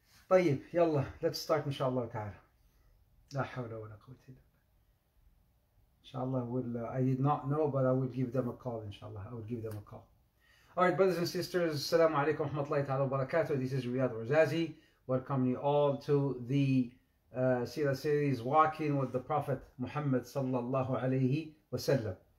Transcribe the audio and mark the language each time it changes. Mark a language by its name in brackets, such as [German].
[Arabic] طيب يلا [English] let's start [Arabic] إن شاء الله تعالى. لا حول ولا قوة إلا بالله. إن شاء الله [English] I did not know, but I would give them a call. إن شاء الله I would give them a call. All right, brothers and sisters, [Arabic] السلام عليكم ورحمة الله تعالى وبركاته. [English] This is Riyad Razazi. Welcome you all to the Sira series Walking with the Prophet Muhammad [Arabic] صلى الله عليه وسلم.